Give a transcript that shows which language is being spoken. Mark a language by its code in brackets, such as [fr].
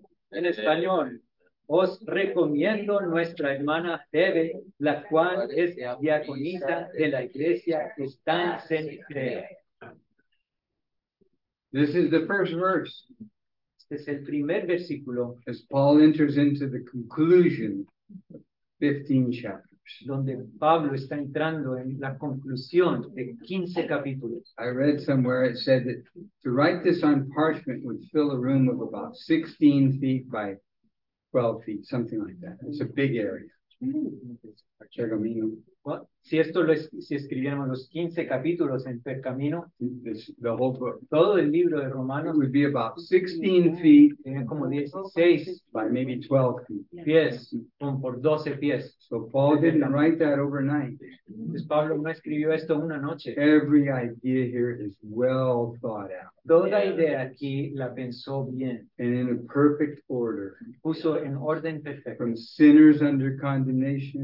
[es] En español, os recomiendo nuestra hermana Febe, la cual es diaconisa de la iglesia que está en Cenicrea. [en] This is the first verse. [es] Este es el primer versículo. [en] As Paul enters into the conclusion of 15 chapters. [es] Donde Pablo está entrando en la conclusión de 15 capítulos. [en] I read somewhere it said that to write this on parchment would fill a room of about 16 feet by 12 feet, something like that. It's a big area. Pergamino. [es] Well, si esto lo es, si escribiéramos los 15 capítulos en pergamino, [en] the whole book, [es] todo el libro de Romanos, [en] would be about 16 feet, [es] como 16, [en] by maybe 12 feet. [es] Pies, como por 12 pies. [en] So Paul didn't write that overnight. [es] Entonces Pablo no escribió esto una noche. [en] Every idea here is well thought out. [es] Toda idea aquí la pensó bien. [en] And in a perfect order. [es] Puso en orden perfecto. [en] From sinners under condemnation.